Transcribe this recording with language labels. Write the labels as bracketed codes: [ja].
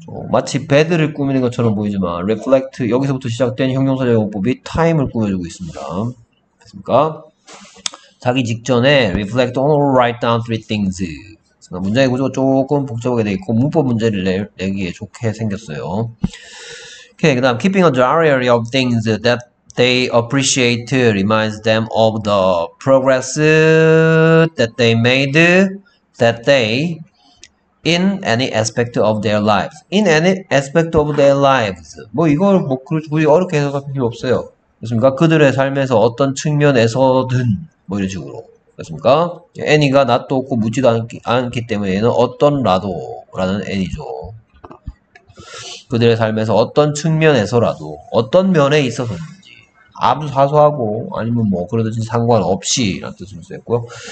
[ko] 마치 배드를 꾸미는 것처럼 보이지만 reflect 여기서부터 시작된 형용사 작용법이 time을 꾸며주고 있습니다. 됐습니까? 자기 직전에 [en] reflect on or write down three things. [ko] 문장의 구조가 조금 복잡하게 되어 있고 문법 문제를 내기에 좋게 생겼어요. 오케이, 그 다음 [en] keeping a diary of things that they appreciate reminds them of the progress that they made that day in any aspect of their lives. In any aspect of their lives. [ko] 뭐 이걸 뭐 굳이 어렵게 해석할 필요 없어요. 그렇습니까? 그들의 삶에서 어떤 측면에서든 뭐 이런 식으로. 그렇습니까? any가 not도 없고 묻지도 않기 때문에 얘는 어떤 라도라는 any죠. 그들의 삶에서 어떤 측면에서라도 어떤 면에 있어서 아무 사소하고 아니면 뭐 그러든지 상관없이 라는 뜻으로 쓰였고요.